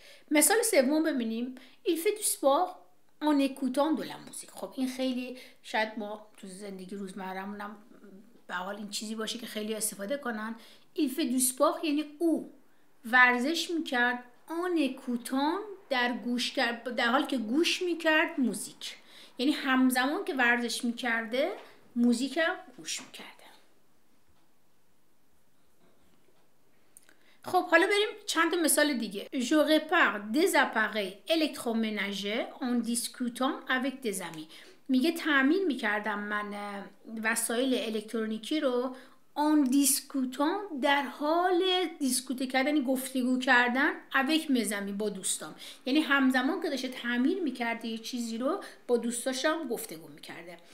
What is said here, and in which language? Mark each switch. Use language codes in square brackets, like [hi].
[fa] مثال سوم ببینیم، [fr] il fait du sport en écoutant de la musique. [fa] خب این خیلی شاید ما تو زندگی روزمرمون هم به حال این چیزی باشه که خیلی استفاده کنن. [fr] il fait du sport [fa] یعنی او ورزش میکرد، [fr] en écoutant [fa] در گوش در حال که گوش میکرد موزیک، یعنی همزمان که ورزش میکرده موزیک هم گوش میکرده. خب حالا بریم چند مثال دیگه. [fr] Je répare des appareils électroménagers en discutant avec des amis. [fa] میگه تعمیر میکردم من وسایل الکترونیکی رو، [fr] en discutant [fa] در حال دیسکوته کردن گفتگو کردن، [fr] avec mes amis [fa] با دوستام، یعنی همزمان که داشته تعمیر میکرده یه چیزی رو با دوستاشم گفتگو میکرده.